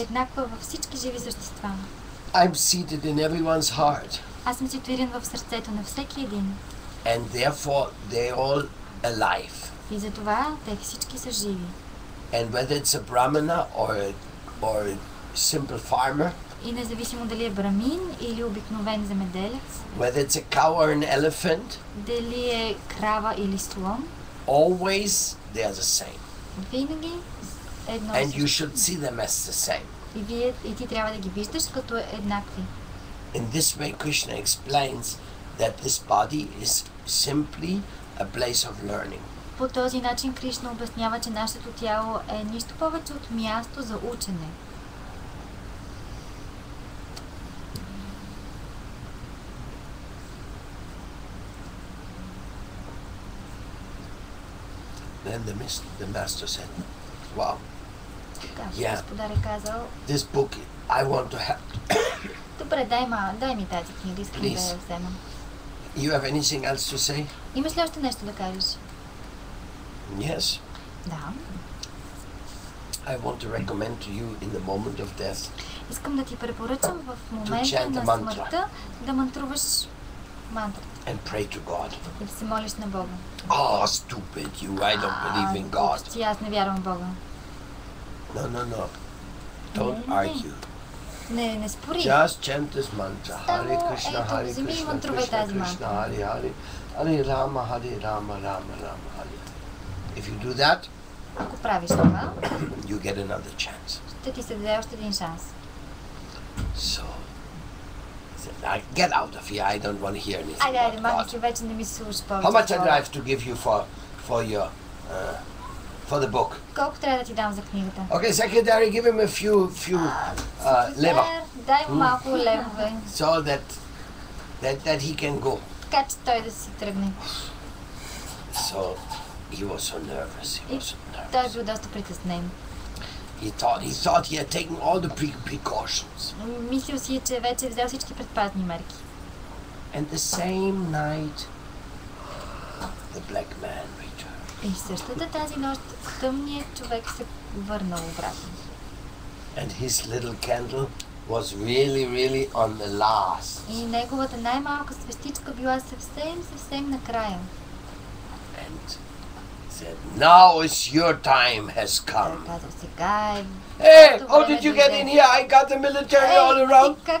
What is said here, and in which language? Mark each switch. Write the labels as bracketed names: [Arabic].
[Bulgarian] Е еднаква във всички живи същества. [English] I'm seated in everyone's heart. [Bulgarian] Аз съм ситуиран в сърцето на всеки един. [English] And therefore they're all alive. [Bulgarian] И затова те всички са живи. [English] And whether it's a brahmana or a simple farmer. [Bulgarian] И независимо дали е брамин или обикновен земеделец. [English] Whether it's a cow or an elephant. [Bulgarian] Дали е крава или слон. [English] Always they are the same. [Bulgarian] Винаги едно. [English] And you should see them as the same. [Bulgarian] И вие, и ти трябва да ги виждаш като еднакви. [English] In this way Krishna explains that this body is simply a place of learning. [Bulgarian] По този начин Кришна обяснява, че нашето тяло е нищо повече от място за учене. [English] Then the master said, wow. Yeah. [Bulgarian] Господар е казал, [English] this book I want to have. [Bulgarian] Добре, дай ми тази книга, искам да я вземам. [English] You have anything else to say? [Bulgarian] Имаш ли още нещо да кажеш? [English] Yes. [Bulgarian] Да. [English] I want to recommend to you in the moment of death. [Bulgarian] Искам да ти препоръчам в момента на смъртта да мантруваш мантра. [English] And pray to God. [Bulgarian] И да се молиш на Бога. [English] Oh, stupid you. I don't believe in God. [Bulgarian] Ти, аз не вярвам в Бога. [English] No, no, no. Don't argue. [Bulgarian] Не, не спори. [English] Just chant this mantra. Hare Krishna, Hare Krishna, Hare Hare. Hare Rama, Hare Rama, Rama Rama. If you do that, [Bulgarian] ако правиш това, [English] you get another chance. [Bulgarian] Ще ти се даде още един шанс. [English] So, get out of here. I don't want to hear anything. [Bulgarian] Айде, айде, мама, ти вече не ми слушаш повече. [English] How much I have to give you for the book? [Bulgarian] Колко трябва да ти дам за книгата? [English] Okay, secretary, give him a few лева. [Bulgarian] Дай му малко левове. [English] So that he can go. [Bulgarian] Така че той да си тръгне. [English] So. He was so nervous. [Bulgarian] Той бил доста притеснен. [English] He thought he had taken all the precautions. [Bulgarian] Мислил си, че вече взел всички предпазни мерки. [English] And the same night, the black man returned. [Bulgarian] И същата тази нощ тъмният човек се върнал обратно. [English] And his little candle was really, really on the last. [Bulgarian] И неговата най-малка свещичка била съвсем накрая. [English] And now is your time has come. Hey, how did you get in here? I got the military all around.